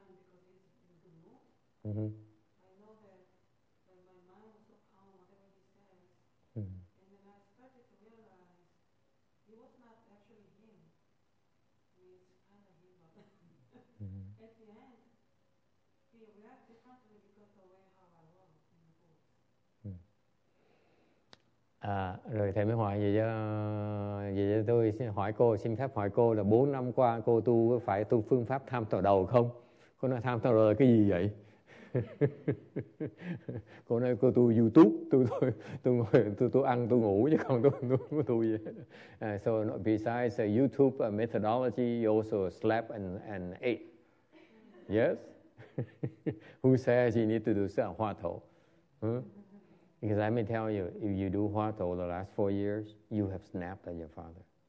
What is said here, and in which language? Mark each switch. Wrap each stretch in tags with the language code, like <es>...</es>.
<en>I know that when my mind was so calm, whatever he says, and then I started to realize he was not actually him. I mean, it's kind of him, but at the end, he reacted differently because of the way how I was in the book.</en> <vi>À, rồi thầy mới hỏi vậy cho tôi hỏi cô, xin phép hỏi cô là 4 năm qua cô tu phải tu phương pháp tham tọa đầu không? Cô nói tham tọa đầu là cái gì vậy? Cô nói cô tu YouTube, tôi ăn tôi ngủ chứ còn tôi không có tu gì.</vi> <en>So besides the YouTube methodology, you also slept and ate. Yes. Who says you need to do some hua tou? Because let me tell you, if you do hua tou the last 4 years, you have snapped at your father.</en>